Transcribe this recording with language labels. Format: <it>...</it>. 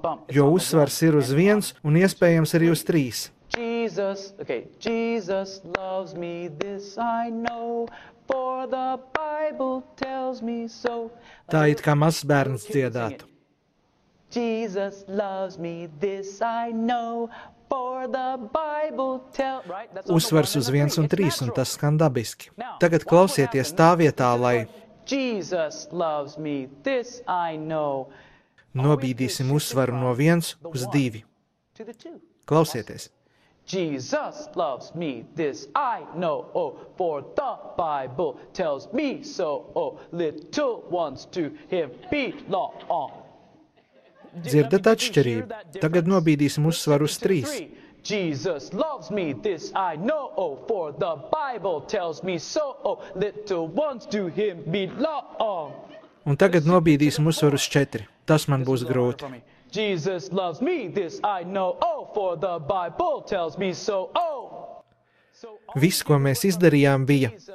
<lv>Jo uzsvars ir uz viens un iespējams arī uz trīs.</lv> <en>Jesus loves me, this I know, for the Bible tells me so.</en> <lv>Tā it kā mazs bērns dziedātu.</lv> <en>Jesus loves me, this I know, for the Bible tells me.</en> <lv>Uzsvars uz 1 un 3, un tas skan dabiski. Tagad klausieties tā vietā, lai</lv> <en>Jesus loves me, this I know.</en> <lv>Nobīdīsim uzsvaru no 1 uz 2. Klausieties.</lv> <en>Jesus loves me, this I know, oh, for the Bible tells me so, oh, little ones to him belong.</en> <lv>Dzirdat atšķirību? Tagad nobīdīsim uzsvaru uz 3.</lv> <en>Jesus loves me, this I know, oh, for the Bible tells me so, oh, little ones to him belong.</en> <lv>Un tagad nobīdīsim uzsvaru uz 4. Tas man būs grūti.</lv> <en>Jesus loves me, this I know, oh, for the Bible tells me so, oh.</en> <lv>Viss, ko mēs izdarījām, bija.</lv>